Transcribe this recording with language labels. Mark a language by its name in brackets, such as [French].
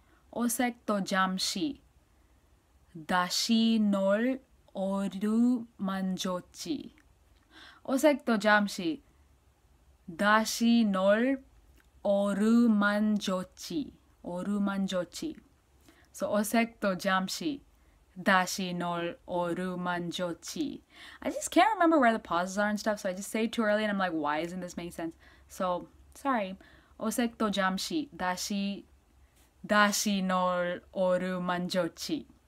[Korean] 오색도 잠시 다시 널 어루만졌지. 오색도 잠시 다시 널 어루만졌지. 어루만졌지. So 오색도 잠시 다시 널 어루만졌지. [English] I just can't remember where the pauses are and stuff, so I just say it too early and I'm like, why isn't this making sense? So, sorry. [Korean] 오색도 잠시 다시 널 어루만졌지.